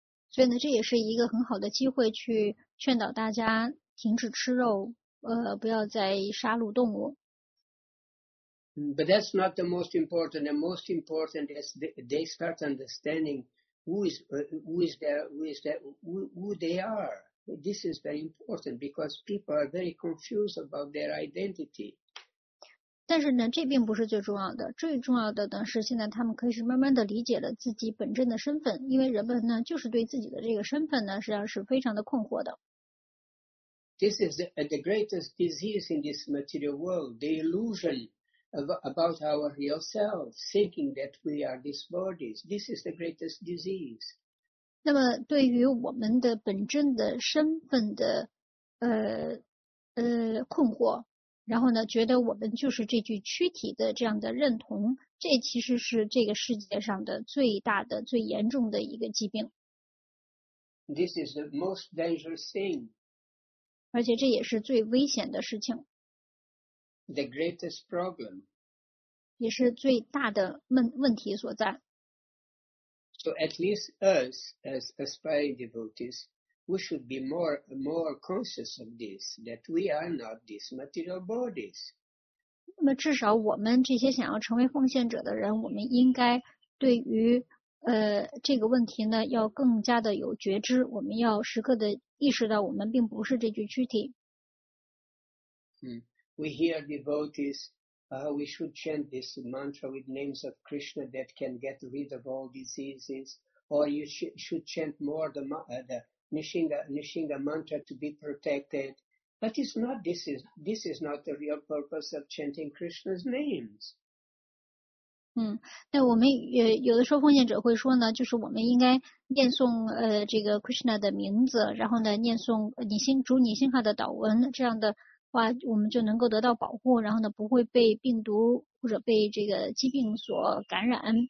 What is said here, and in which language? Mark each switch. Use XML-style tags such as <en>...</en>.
<zh>所以呢，这也是一个很好的机会去劝导大家停止吃肉，不要再杀戮动物。</zh> <en>But that's not the most important. The most important is they start understanding who they are. This is very important because people are very confused about their identity.</en> <zh>但是呢，这并不是最重要的。最重要的呢是，现在他们可以是慢慢的理解了自己本真的身份，因为人们呢就是对自己的这个身份呢，实际上是非常的困惑的。</zh> <en>This is the greatest disease in this material world: the illusion about our real self, thinking that we are these bodies. This is the greatest disease.</en> <zh>那么，对于我们的本真的身份的困惑。然后呢，觉得我们就是这具躯体的这样的认同，这其实是这个世界上的最大的最严重的一个疾病。</zh> <en>This is the most dangerous thing.</en> <zh>而且这也是最危险的事情。</zh> <en>The greatest problem.</en> <zh>也是最大的问题所在。</zh> <en>So at least us as aspiring devotees, we should be more conscious of this, that we are not these material bodies.</en> <zh>那么至少我们这些想要成为奉献者的人，我们应该对于这个问题呢要更加的有觉知，我们要时刻的意识到我们并不是这具躯体。</zh> <en>We hear devotees, we should chant this mantra with names of Krishna that can get rid of all diseases, or you should chant more the Nishinga mantra to be protected. But it's not, this is not the real purpose of chanting Krishna's names.</en> <zh>那我们有的时候奉献者会说呢，就是我们应该念诵这个 Krishna 的名字，然后呢念诵主女心哈的祷文，这样的话我们就能够得到保护，然后呢不会被病毒或者被这个疾病所感染。</zh>